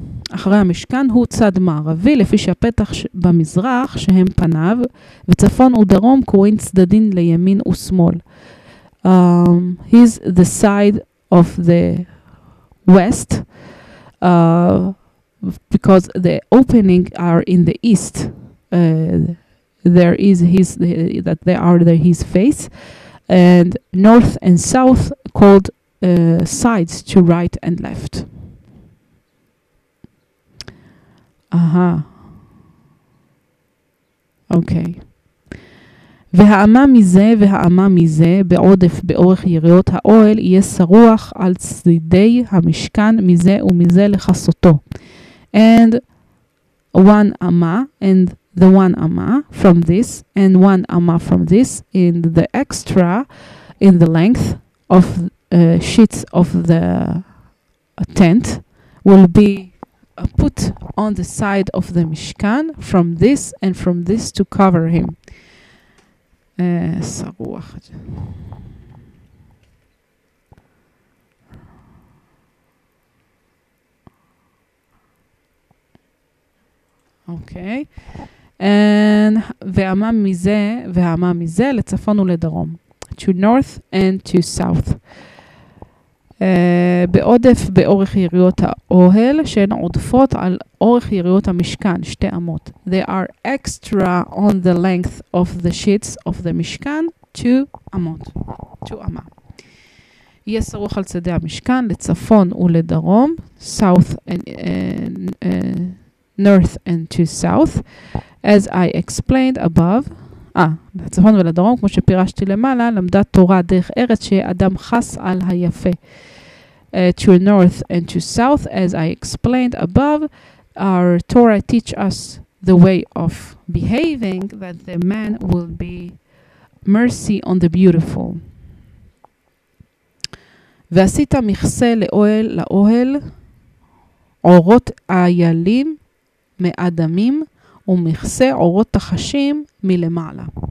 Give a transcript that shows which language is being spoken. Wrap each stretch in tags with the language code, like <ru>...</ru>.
<he>אחרי המשכן הוא צד מערבי לפי שהפתח במזרח שהם פניו, וצפון ודרום קוראים צדדים לימין ושמאל.</he> <en>He's the side of the west, because the opening are in the east. There is his that they are the his face, and north and south called sides to right and left. Aha. Okay.</en> <he>והאמה מזה והאמה מזה בעודף באורך יריות האוהל יהיה שרוח על צדי המשכן מזה ומזה לחסותו.</he> <en>And one amah, and the one amah from this, and one amah from this, in the extra, in the length of sheets of the tent, will be put on the side of the mishkan from this and from this to cover him.</en> <he>שרוח. אוקיי. And ואמה מזה ואמה מזה לצפון ולדרום.</he> <en>To north and to south.</en> <he>בעודף באורך יריות האוהל שהן עודפות על אורך יריות המשכן, שתי עמות.</he> <en>They are extra on the length of the sheets of the משכן, two amah.</en> <he>יש שרוח על צדי המשכן לצפון ולדרום,</he> <en>south and north and to south,</en> <he>as I explained above. לצפון ולדרום, כמו שפירשתי למעלה, למדה תורה דרך ארץ שאדם חס על היפה.</he> <en>To north and to south, as I explained above, our Torah teach us the way of behaving that the man will be mercy on the beautiful.</en> <he>ועשית מכסה לאוהל, לאוהל, אורות איילים מאדמים, ומכסה אורות תחשים מלמעלה.</he>